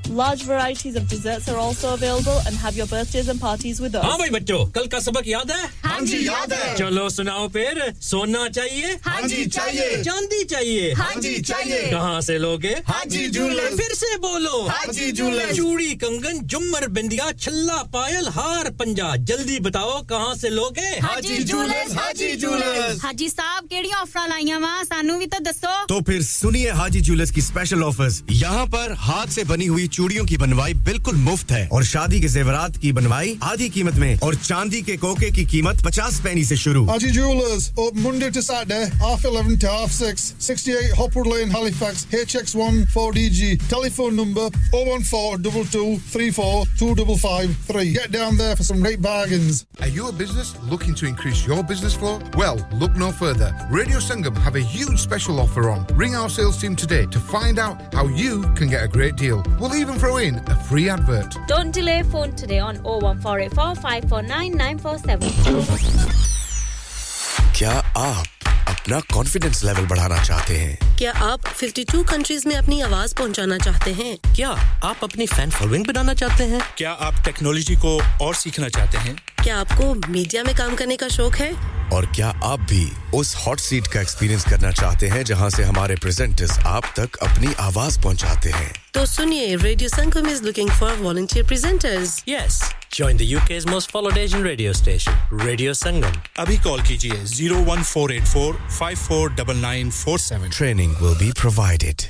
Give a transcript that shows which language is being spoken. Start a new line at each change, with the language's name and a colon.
English: Large varieties of desserts are also available and have your birthdays and parties with us.
Hindi: हाँ भाई बच्चों कल का सबक याद है? हाँ जी याद है. चलो सुनाओ फिर. सोना चाहिए? हाँ जी चाहिए. चांदी चाहिए? हाँ जी चाहिए. कहाँ से लोगे? हाँ जी जूलर्स. फिर से बोलो. हाँ जी जूलर्स. चूड़ी कंगन जुमर बिंदिया छल्ला पायल हार पंजा जल्दी बताओ कहाँ से लोगे? हाँ जी जूलर्स. हाँ जी जूलर्स.
Punjabi: हाँ जी साहब कैडी ऑफर लाइया वा सानू भी तो दसो.
Hindi: तो फिर सुनिए हाजी ज्वेलर्स की स्पेशल ऑफर्स. यहाँ पर हाथ से बनी हुई चूड़ियों की बनवाई बिल्कुल मुफ्त है और शादी के जेवरात की बनवाई आधी कीमत में और चांदी के कोके की कीमत 50 पैनी से शुरू.
English: Haji jewellers open Monday to Saturday half 11 to half 6 68 Hopwood lane Halifax HX1 4DG. Telephone number 01422342553. Get down there for some great bargains. Are you a business looking to increase your business flow? Well look no further. Radio Sangam have a huge special offer on. Ring our sales team today to find out how you can get a great deal. We'll even throw in a free advert. Don't delay, phone today on 01484549947.
Hindi: क्या आप अपना confidence level बढ़ाना चाहते हैं? क्या आप 52 countries में अपनी आवाज पहुंचाना चाहते हैं? क्या आप अपनी फैन फॉलोइंग बनाना चाहते हैं? क्या आप टेक्नोलॉजी को और सीखना चाहते हैं? क्या आपको मीडिया में काम करने का शौक है? और क्या आप भी उस हॉट सीट का एक्सपीरियंस करना चाहते हैं जहां से हमारे प्रेजेंटर्स आप तक अपनी आवाज पहुंचाते हैं? तो सुनिए,
English: Radio Sangam is looking for volunteer presenters. यस, join the UK's most followed Asian radio station, Radio Sangam.
Hindi: Abhi call kijiye 01484-549947.
English: Training will be provided.